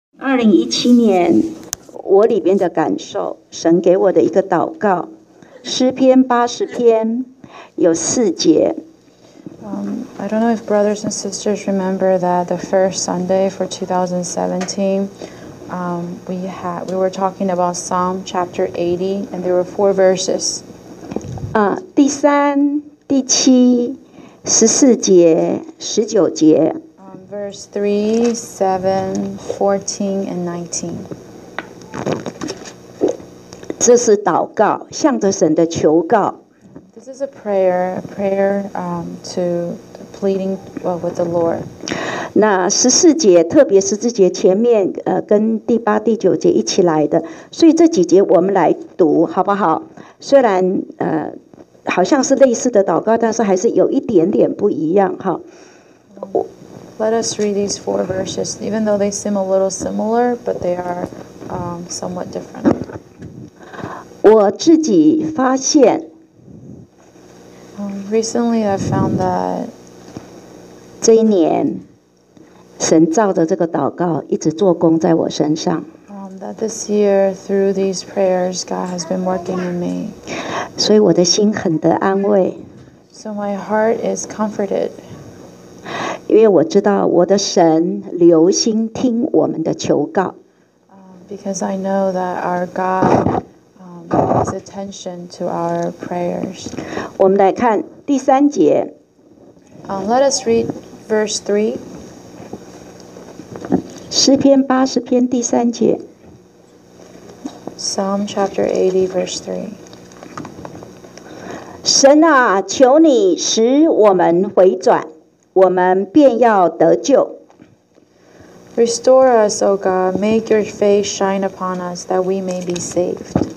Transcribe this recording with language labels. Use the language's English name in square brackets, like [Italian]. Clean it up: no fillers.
[Chinese] 2017年，我里边的感受，神给我的一个祷告，诗篇80篇，有4节。 [English] I don't know if brothers and sisters remember that the first Sunday for 2017, we were talking about Psalm chapter 80, and there were 4 verses. [Chinese] 第三、第七、14节、19节。 [English] Verse 3, 7, 14, and 19. [Chinese] 这是祷告，向着神的求告。 [English] This is a prayer, to pleading with the Lord. [Chinese] 那十四节，特别是这节前面，跟第八、第九节一起来的，所以这几节我们来读好不好？虽然好像是类似的祷告，但是还是有一点点不一样哈。 [English] Let us read these 4 verses, even though they seem a little similar, but they are somewhat different. [Chinese] 我自己发现 [English] recently I found that [Chinese] 这一年神照着这个祷告一直做工在我身上 [English] that this year through these prayers God has been working in me [Chinese] 所以我的心很得安慰 [English] so my heart is comforted [Chinese] 因为我知道我的神留心听我们的求告 [English] because I know that our GodPay attention to our prayers. [Chinese] 我们来看第三节。 [English] Let us read verse 3. [Chinese] 诗篇八十篇第三节。 [English] Psalm chapter 80, verse 3. [Chinese] 神啊，求你使我们回转，我们便要得救。 [English] Restore us, O God. Make your face shine upon us, that we may be saved.